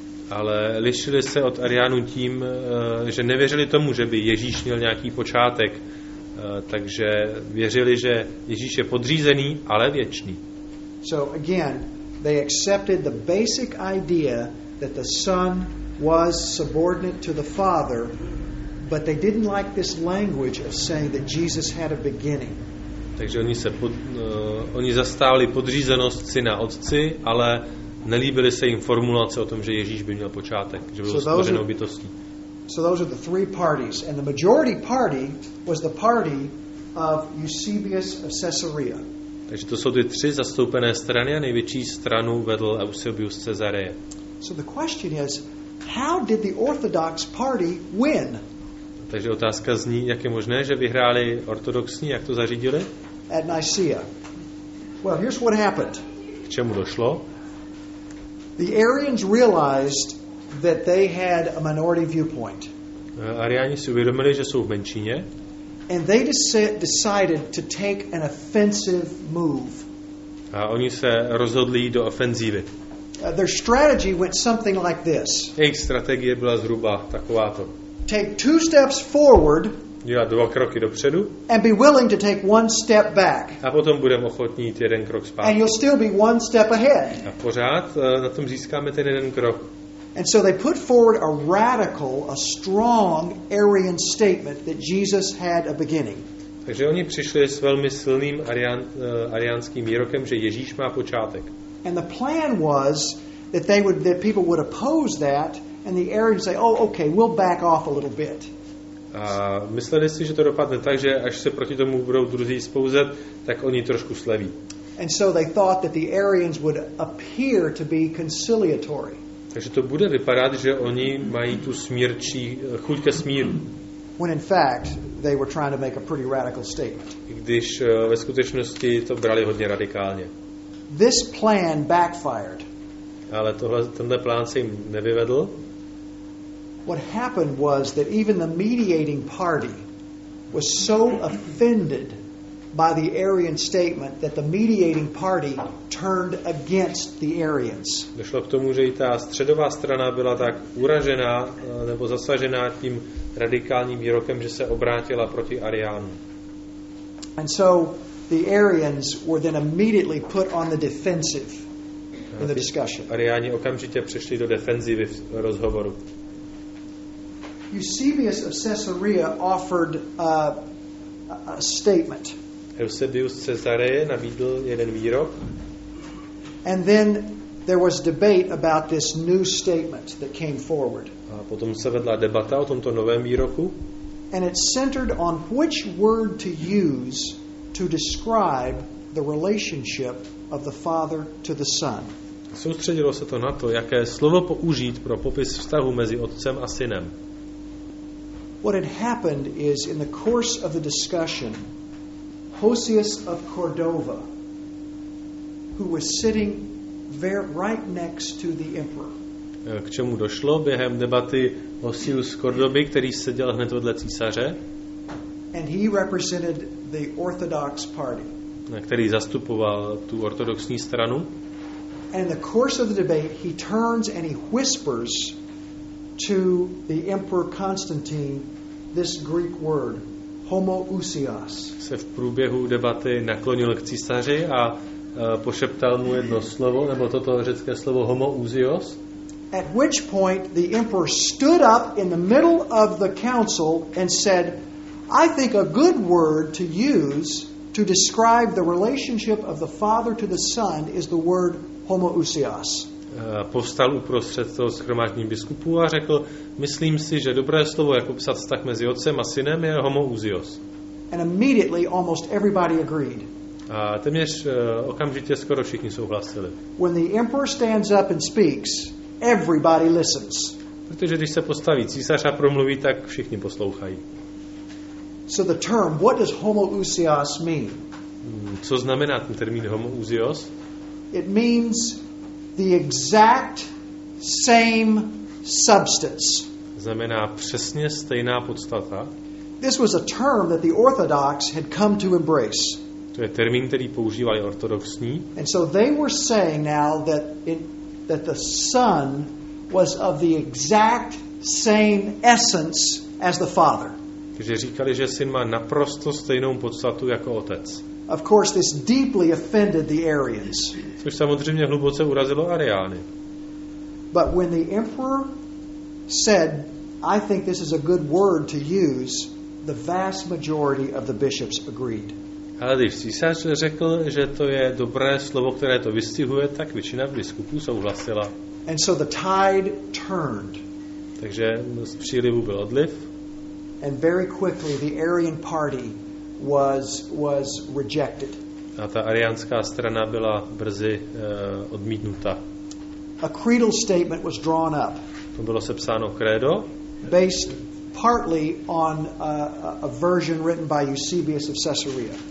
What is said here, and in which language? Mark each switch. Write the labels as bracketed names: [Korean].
[Czech] Ale lišili se od Ariánů tím, že nevěřili tomu, že by Ježíš měl nějaký počátek, takže věřili, že Ježíš je podřízený, ale věčný. [English] So again, they accepted the basic idea that the Son was subordinate to the Father, but they didn't like this language of saying that Jesus had a beginning. [Czech] Takže oni zastávali podřízenost Syna Otci, ale nelíbily se jim formulace o tom, že Ježíš by měl počátek, že byl stvořenou bytostí. [English] So those are the three parties, and the majority party was the party of Eusebius of Caesarea. [Czech] Takže to jsou ty tři zastoupené strany a největší stranu vedl Eusebius Cezareje. [English] So the question is, how did the Orthodox Party win? Takže otázka zní, jak je možné, že vyhráli ortodoxní, jak to zařídili? At Nicaea. Well, here's what happened. [Czech] K čemu došlo? [English] The Arians realized that they had a minority viewpoint. [Czech] Ariáni si uvědomili, že jsou v menšině. [English] And they decided to take an offensive move. [Czech] A oni se rozhodli do ofenzívy. [English] Their strategy went something like this. [Czech] Jejich strategie byla zhruba takováto. [English] Take two steps forward. [Czech] Dělat dva kroky dopředu. [English] And be willing to take one step back. [Czech] A potom budeme ochotní jít jeden krok zpátky. [English] And you'll still be one step ahead. [Czech] A pořád na tom získáme ten jeden krok. [English] And so they put forward a radical, a strong Arian statement that Jesus had a beginning. [Czech] Takže oni přišli s velmi silným ariánským výrokem, že Ježíš má počátek. [English] And the plan was that they would that people would oppose that and the Arians say, "Oh, okay, we'll back off a little bit." [Czech] A mysleli si, že to dopadne tak, že až se proti tomu budou druzí spouzet, tak oni trošku sleví. [English] And so they thought that the Arians would appear to be conciliatory. [Czech] Takže to bude vypadat, že oni mají tu smírčí chuť ke smíru. [English] When in fact they were trying to make a pretty radical statement. [Czech] Když ve skutečnosti to brali hodně radikálně. [English] This plan backfired. [Czech] Ale tohle tenhle plán se jim nevyvedl. [English] What happened was that even the mediating party was so offended by the Arian statement that the mediating party turned against the Arians. [Czech] Došlo k tomu, že i ta středová strana byla tak uražená nebo zasažená tím radikálním výrokem, že se obrátila proti Ariánům. [English] And so the Arians were then immediately put on the defensive in the discussion. [Czech] Ariáni okamžitě přešli do defenzivy v rozhovoru. [English] Eusebius of Caesarea offered a statement. [Czech] Eusebius Cezareje nabídl jeden výrok. [English] And then there was debate about this new statement that came forward. [Czech] A potom se vedla debata o tomto novém výroku. [English] And it centered on which word to use to describe the relationship of the Father to the Son. [Czech] Soustředilo se to na to, jaké slovo použít pro popis vztahu mezi Otcem a Synem. [English] What had happened is in the course of the discussion, Hosius of Cordova, who was sitting there right next to the emperor. [Czech] K čemu došlo během debaty Hosius z Cordoby, který seděl hned vedle císaře? [English] And he represented the Orthodox party. [Czech] Který zastupoval tu ortodoxní stranu. [English] And in the course of the debate, he turns and he whispers to the emperor Constantine this Greek word. Homoousios. [Czech] Se v průběhu debaty naklonil k císaři a pošeptal mu jedno slovo, nebo toto řecké slovo homoousios. [English] At which point the emperor stood up in the middle of the council and said, "I think a good word to use to describe the relationship of the Father to the Son is the word homoousios." [Czech] Povstal uprostřed toho shromáždění biskupů a řekl, myslím si, že dobré slovo, jak popsat vztah mezi otcem a synem, je homoousios. [English] And immediately almost everybody agreed. [Czech] A téměř okamžitě skoro všichni souhlasili. [English] When the emperor stands up and speaks, everybody listens. [Czech] Protože když se postaví císař a promluví, tak všichni poslouchají. [English] So the term, what does homoousios mean? [Czech] Co znamená ten termín homoousios? [English] It means the exact same substance. [Czech] Znamená přesně stejná podstata. [English] This was a term that the Orthodox had come to embrace. [Czech] To je termín, který používali ortodoxní. [English] And so they were saying now that that the Son was of the exact same essence as the Father. [Czech] Takže říkali, že Syn má naprosto stejnou podstatu jako Otec. [English] Of course, this deeply offended the Arians. [Czech] Což samozřejmě hluboce urazilo Ariány. [English] But when the emperor said, "I think this is a good word to use," the vast majority of the bishops agreed. [Czech] Ale když císař řekl, že to je dobré slovo, které to vystihuje, tak většina biskupů souhlasila. [English] And so the tide turned. [Czech] Takže z přílivu byl odliv. [English] And very quickly the Arian party was rejected. [Czech] A ta ariánská strana byla brzy odmítnuta. [English] A creedal statement was drawn up. [Czech] To bylo sepsáno krédo. [English] Based partly on a version written by Eusebius of Caesarea.